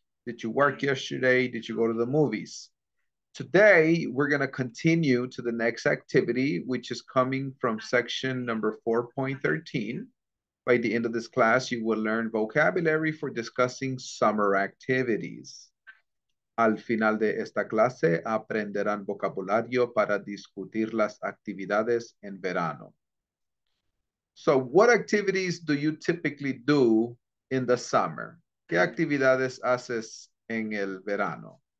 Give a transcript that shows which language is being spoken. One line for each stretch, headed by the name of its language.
English: Did you work yesterday? Did you go to the movies? Today, we're gonna continue to the next activity, which is coming from section number 4.13. By the end of this class, you will learn vocabulary for discussing summer activities.
Spanish: Al final de esta clase, aprenderán vocabulario para discutir las actividades en verano.
English: So, what activities do you typically do in the summer?
Spanish: ¿Qué actividades haces en el verano?